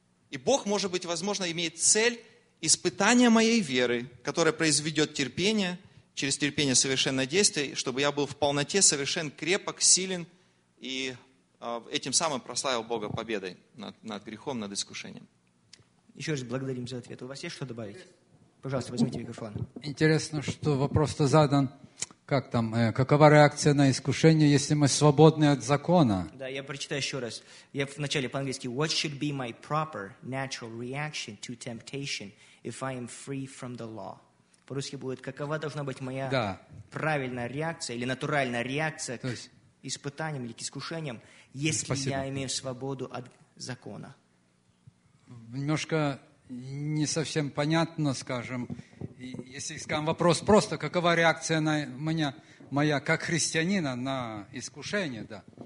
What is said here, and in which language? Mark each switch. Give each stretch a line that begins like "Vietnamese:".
Russian: И Бог, может быть, возможно, имеет цель испытания моей веры, которая произведет терпение, через терпение совершенное действие, чтобы я был в полноте совершен, крепок, силен и этим самым прославил Бога победой над грехом, над искушением. Еще раз благодарим за ответ. У вас есть что добавить? Пожалуйста, возьмите микрофон. Интересно, что вопрос-то задан. Как там? Какова реакция на искушение, если мы свободны от закона? Да, я прочитаю еще раз. Я вначале по-английски.
English: What should be my proper natural reaction to temptation if I am free from the law?
Russian: По-русски будет, какова должна быть моя правильная реакция или натуральная реакция то есть, к испытаниям или к искушениям, если я имею свободу от закона? Немножко не совсем понятно, скажем. Если скажем вопрос просто, какова реакция на меня, моя как христианина на искушение, да.